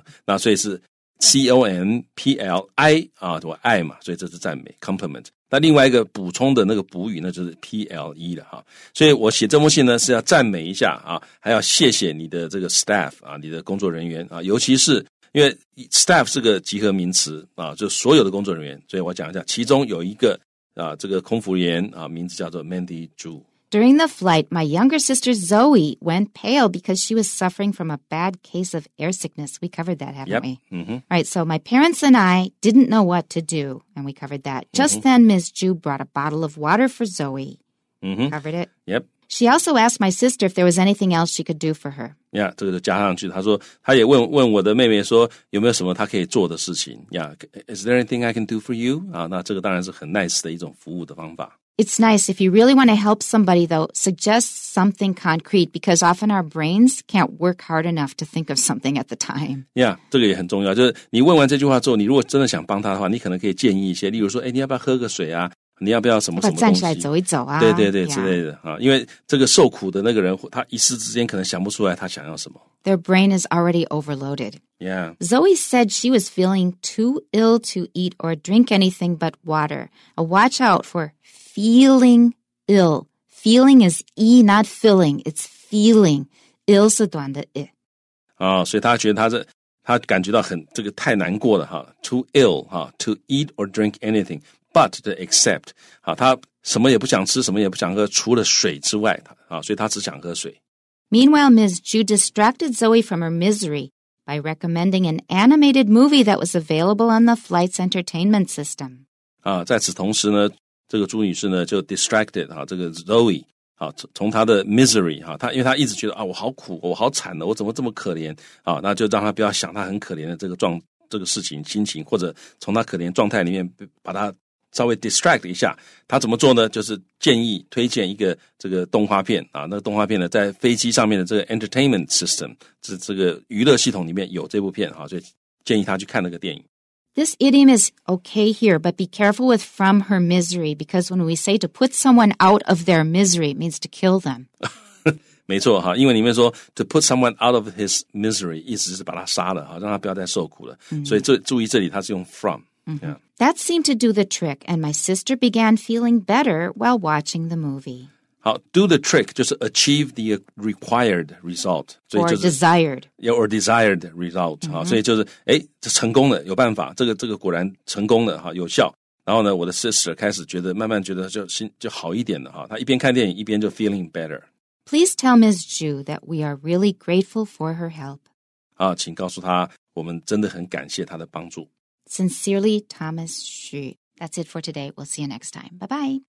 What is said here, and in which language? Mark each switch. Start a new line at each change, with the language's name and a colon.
Chinese: 那所以是 C-O-M-P-L-I 我爱嘛所以这是赞美 compliment 那另外一个补充的那个补语那就是 P-L-E 的所以我写这封信呢是要赞美一下还要谢谢你的这个 staff 你的工作人员尤其是因为 staff 是个集合名词就所有的工作人员所以我讲一下其中有一个这个空服员名字叫做 Mandy Zhu.
English: During the flight, my younger sister Zoe went pale because she was suffering from a bad case of air sickness. We covered that, haven't we? Mm-hmm. Right, so my parents and I didn't know what to do, and we covered that. Just then, Ms. Zhu brought a bottle of water for Zoe. Covered it? Yep. She also asked my sister if there was anything else she could do for her.
Chinese: Yeah, 这个就加上去，她说，她也问我的妹妹说，有没有什么她可以做的事情。
English: Yeah, is there anything I can do for you?
Chinese: 那这个当然是很 nice 的一种服务的方法。
English: It's nice. If you really want to help somebody, though, suggest something concrete, because often our brains can't work hard enough to think of something at the time.
Chinese: Yeah, 这个也很重要。就是你问完这句话之后，你如果真的想帮她的话，你可能可以建议一些，例如说，你要不要喝个水啊？你要不要什么什么东西？站起来走一走啊！对对对，之类的因为这个受苦的那个人，他一时之间可能想不出来他想要什么。
English: Their brain is already overloaded. Yeah. Zoe said she was feeling too ill to eat or drink anything but water. Watch out for feeling ill. Feeling is e, not filling. It's feeling. Ill
Chinese: 是短的
English: i。
Chinese: 所以他觉得他感觉到很这个太难过了
English: Too ill to eat or drink anything. But the except,
Chinese: 他什么也不想吃，什么也不想喝，除了水之外，所以他只想喝水。
English: Meanwhile, Ms. Zhu distracted Zoe from her misery by recommending an animated movie that was available on the flight's entertainment system.
Chinese: 在此同时呢，这个朱女士呢就 distracted 这个 Zoe 从她的 misery 因为她一直觉得我好苦，我好惨的，我怎么这么可怜那就让她不要想她很可怜的这个事情心情，或者从她可怜状态里面把她。稍微 distract 一下，他怎么做呢？就是建议推荐一个这个动画片那个动画片呢，在飞机上面的这个 entertainment system， 这个娱乐系统里面有这部片所以建议他去看那个电影。
English: This idiom is okay here, but be careful with from her misery, because when we say to put someone out of their misery, it means to kill them.
Chinese: 没错因为里面说
English: to put someone out of his misery，
Chinese: 意思是把他杀了让他不要再受苦了。所以注意这里他是用 from。
English: Yeah. That seemed to do the trick, and my sister began feeling better while watching the movie. 好 do the trick 就是 achieve the required result. Or
Chinese: 就是,
English: desired. Yeah, or desired result.
Chinese: 所以就是成功了有办法这个果然成功了有效。然后呢，我的 sister 开始觉得慢慢觉得就好一点了，她一边看电影一边就
English: feeling better. Please tell Ms. Zhu that we are really grateful for her help.
Chinese: 啊，请告诉她我们真的很感谢她的帮助。
English: Sincerely, Thomas Xu. That's it for today. We'll see you next time. Bye-bye.